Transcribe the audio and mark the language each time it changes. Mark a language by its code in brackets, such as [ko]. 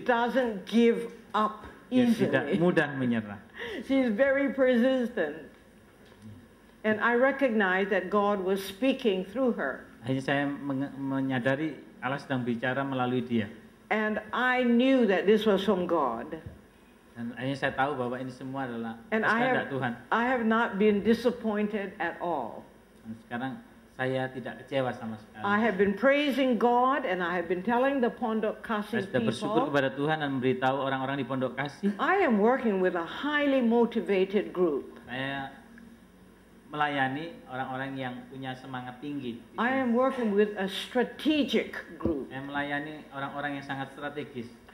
[en] she doesn't give up easily. [id] Dia tidak mudah menyerah. [en] She's very persistent. And I recognize that God was speaking through her. [id] Hanya saya menyadari Allah sedang bicara melalui dia. [en] And I knew that this was from God. [id] Dan akhirnya saya tahu bahwa ini semua adalah kehendak Tuhan. [en] I have not been disappointed at all. [id] Dan sekarang saya tidak kecewa sama sekali. [en] I have been praising God and I have been telling the Pondok Kasih people. [id] Saya sudah bersyukur kepada Tuhan dan memberitahu orang-orang di Pondok Kasih. [en] I am working with a highly motivated group. [id] Saya melayani orang-orang yang punya semangat tinggi. [en] I am working with a strategic group. [id] Saya melayani orang-orang yang sangat strategis.